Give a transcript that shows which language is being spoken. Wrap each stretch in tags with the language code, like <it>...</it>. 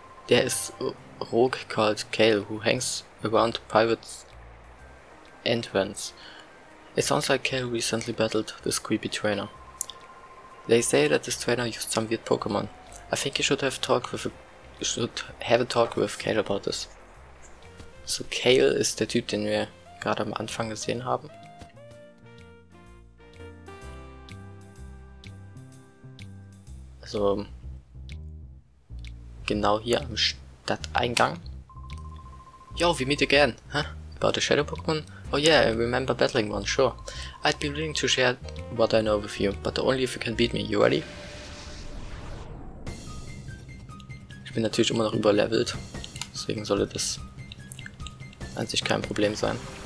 <en>Der ist Rogue called Kale, who hangs around Pirate's entrance. It sounds like Kale recently battled this creepy trainer. They say that this trainer used some weird Pokemon. I think you should have a talk with Kale about this.</en> <de>So Kale ist der Typ, den wir gerade am Anfang gesehen haben. Also genau hier am Stadteingang.</de> <en>Yo, we meet again, huh? About the shadow Pokemon? Oh yeah, I remember battling one, sure. I'd be willing to share what I know with you, but only if you can beat me. You ready?</en> <de>Ich bin natürlich immer noch überlevelt, deswegen sollte das an sich kein Problem sein.</de>